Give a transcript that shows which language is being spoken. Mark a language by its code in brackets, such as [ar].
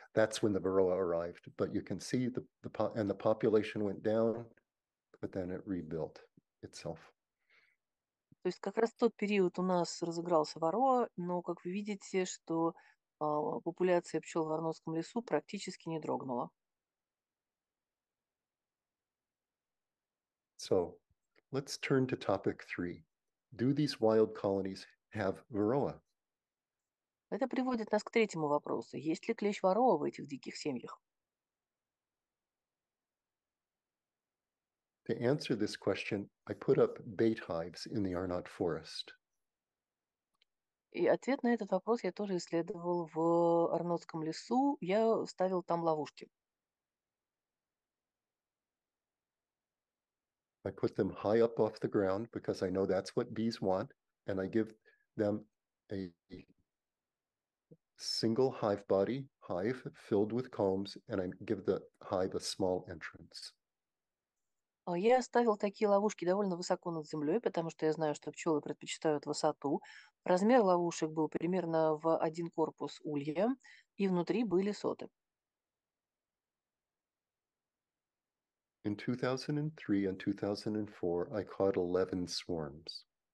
[en] That's when the varroa arrived, but you can see the population went down, but then it rebuilt itself. [ru] То есть как раз тот период у нас разыгрался варроа, но как вы видите, что популяция пчел в Арнонском лесу практически не дрогнула. [en] So, let's turn to topic 3. Do these wild colonies have varroa? [ru] Это приводит нас к третьему вопросу. Есть ли клещ варроа в этих диких семьях? [en] To answer this question, I put up bait hives in the Arnot forest. [ru] И ответ на этот вопрос я тоже исследовал в Арнотском лесу. Я ставил там ловушки. [en] I put them high up off the ground because I know that's what bees want, and I give them a single hive body, hive filled with combs, and I give the hive a small entrance. [ru] Я оставил такие ловушки довольно высоко над землей, потому что я знаю, что пчелы предпочитают высоту. Размер ловушек был примерно в один корпус улья, и внутри были соты. [en] In 2003 and 2004, I caught 11 swarms.